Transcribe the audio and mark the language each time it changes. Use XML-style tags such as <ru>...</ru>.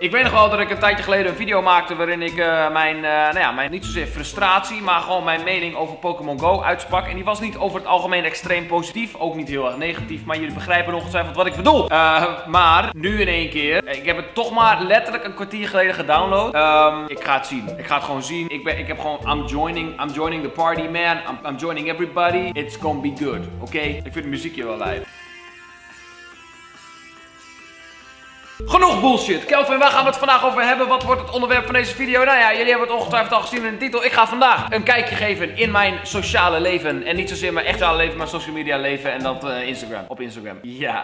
<nl>Ik weet nog wel dat ik een tijdje geleden een video maakte waarin ik mijn niet zozeer frustratie, maar gewoon mijn mening over Pokémon Go uitsprak. En die was niet over het algemeen extreem positief. Ook niet heel erg negatief. Maar jullie begrijpen ongetwijfeld wat ik bedoel. Maar nu in één keer. Ik heb het toch maar letterlijk een kwartier geleden gedownload. Ik ga het zien. Ik ga het gewoon zien.</nl> <en>I'm joining the party, man. I'm joining everybody. It's gonna be good. Oké?</en> <nl>Ik vind de muziekje wel leuk. Genoeg bullshit. Kelvin, waar gaan we het vandaag over hebben? Wat wordt het onderwerp van deze video? Nou ja, jullie hebben het ongetwijfeld al gezien in de titel. Ik ga vandaag een kijkje geven in mijn sociale leven. En niet zozeer mijn echte leven, maar social media leven. En dat Instagram. Op Instagram. Ja.</nl>